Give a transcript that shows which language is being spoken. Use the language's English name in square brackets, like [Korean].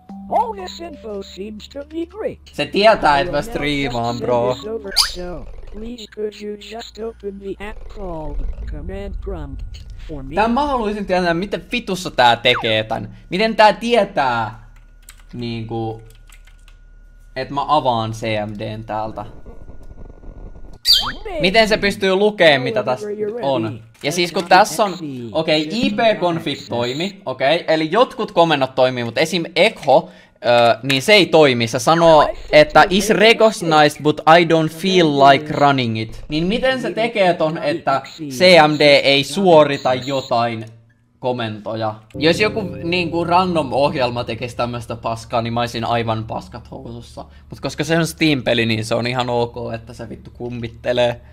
[English] All this info seems to be great. [Finnish] Se tietää, et mä striimaan, bro. [English] So, please could you just open the app called Command Prompt for me? [Finnish] Tää mä haluisin tietää, miten vitussa tää tekee tän. Miten tää tietää, niinku, et mä avaan CMDn täältä. Miten se pystyy lukemaan, mitä tässä on? Ja siis kun tässä on... Okei, okay, IP-config toimi, okei. Okay, eli jotkut komennot toimii, mutta esim. Echo, niin se ei toimi. Se sanoo, että [English] is recognized, but I don't feel like running it. [Finnish] Niin miten se tekee ton, että CMD ei suorita jotain komentoja? Jos joku niin kuin random-ohjelma tekisi tämmöstä paskaa, niin mä olisin aivan paskat housussa. Mut koska se on Steam-peli, niin se on ihan ok, että se vittu kummittelee.